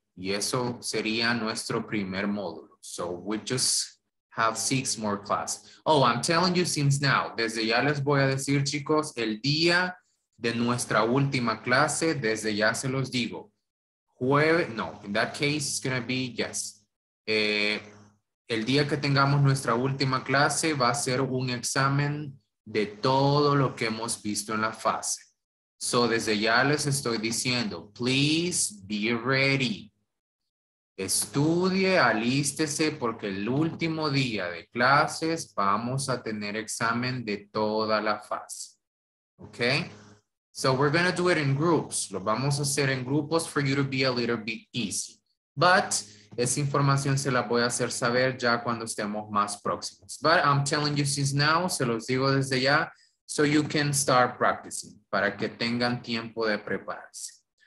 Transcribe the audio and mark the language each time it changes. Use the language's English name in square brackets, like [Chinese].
[Spanish] Y eso sería nuestro primer módulo. [English] So we just have 6 more classes. Oh, I'm telling you since now, [Spanish] desde ya les voy a decir, chicos, el día de nuestra última clase, desde ya se los digo. Jueves, no, [English] in that case, it's gonna be, yes. [Spanish] El día que tengamos nuestra última clase va a ser un examen de todo lo que hemos visto en la fase. So, desde ya les estoy diciendo, [English] please be ready. [Spanish] Estudie, alístese, porque el último día de clases vamos a tener examen de toda la fase. Okay? [English] So, we're going to do it in groups. [Spanish] Lo vamos a hacer en grupos [English] for you to be a little bit easy. [Spanish] But, esa información se la voy a hacer saber ya cuando estemos más próximos. [English] But I'm telling you since now, [Spanish] se los digo desde ya, [English] so you can start practicing, [Spanish] para que tengan tiempo de prepararse.